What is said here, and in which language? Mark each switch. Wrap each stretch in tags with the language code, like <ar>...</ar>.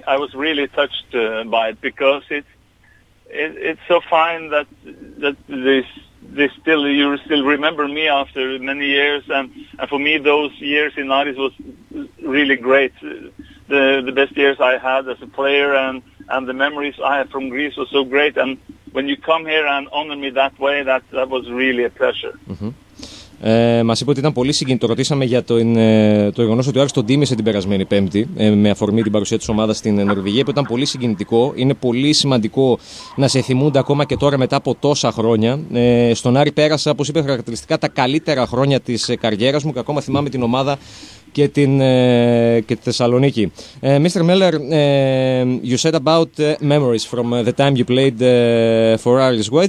<en>I was really touched by it because it's so fine that this still you still remember me after many years, and for me those years in Aris was really great, the best years I had as a player, and the memories I have from Greece were so great, and when you come here and honor me that way, that was really a pleasure. Mm-hmm.</en> <el>Μας είπε ότι ήταν πολύ συγκινητό. Ρωτήσαμε για το γεγονός ότι ο Άρης τον τίμησε την περασμένη Πέμπτη με αφορμή την παρουσία της ομάδας στην Νορβηγία. Είπε ότι ήταν πολύ συγκινητικό. Είναι πολύ σημαντικό να σε θυμούνται ακόμα και τώρα μετά από τόσα χρόνια. Στον Άρη πέρασα, όπως είπε χαρακτηριστικά, τα καλύτερα χρόνια της καριέρας μου και ακόμα θυμάμαι την ομάδα και τη Θεσσαλονίκη.</el> <en>Mr. Miller, you said about memories from the time you played for Aris.</en>